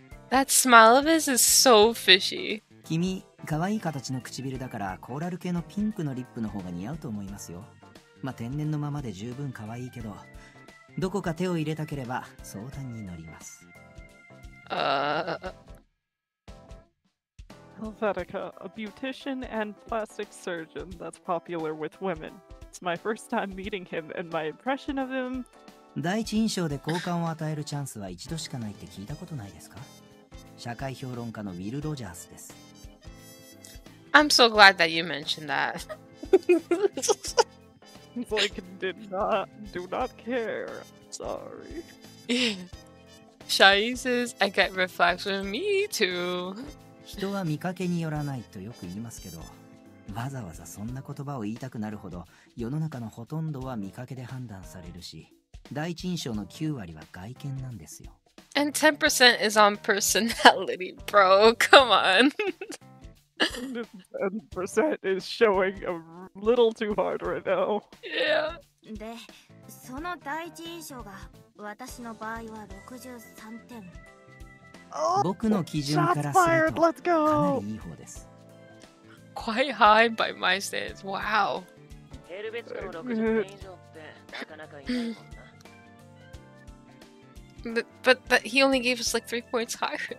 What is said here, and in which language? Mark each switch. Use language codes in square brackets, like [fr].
[en] That smile of his is so fishy. [ja] 君、可愛い形の唇だからコーラル系のピンクのリップの方が似合うと思いますよ。まあ、天然のままで十分可愛いけど、どこか手を入れたければ相談に乗ります。 [en] Helvetica, a beautician and plastic surgeon that's popular with women. It's my first time meeting him, and my impression of him... [ja] 第一印象で好感を与えるチャンスは一度しかないって聞いたことないですか?社会評論家のウィル・ロジャースです。 [en] I'm so glad that you mentioned that. Like, do not care. Sorry. Shai says, I get reflects with me too. [ja] 人は見かけによらないとよく言いますけど、わざわざそんな言葉を言いたくなるほど、世の中のほとんどは見かけで判断されるし、第一印象の9割は外見なんですよ。 [en] And 10% is on personality, bro. Come on. This 10% is showing a little too hard right now. Yeah. [ja] で、その第一印象が私の場合は63点。僕の基準からするとかなりいい方です。 [en] Quite high by my standards. Wow. [ja] ヘルベツの60点以上ってなかなかいないもんな。 [en] But he only gave us like 3 points higher.